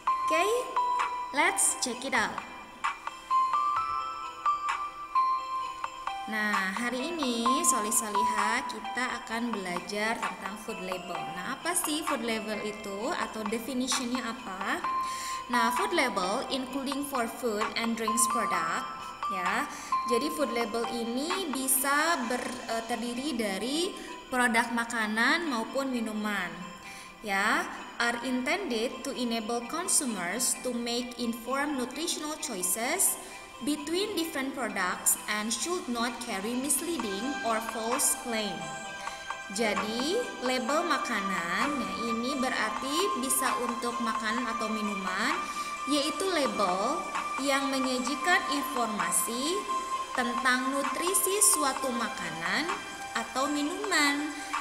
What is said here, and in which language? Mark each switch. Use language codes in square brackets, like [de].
[en] Okay, let's check it out. [id] Nah, hari ini Soli-Soliha kita akan belajar tentang food label. Nah, apa sih food label itu atau definisinya apa? [en] Nah, food label including for food and drinks product, ya. [id] Jadi food label ini bisa terdiri dari produk makanan maupun minuman. [en] Ya, are intended to enable consumers to make informed nutritional choices between different products and should not carry misleading or false claim. [id] Jadi, label makanan ya, ini berarti bisa untuk makanan atau minuman, yaitu label yang menyajikan informasi tentang nutrisi suatu makanan atau minuman.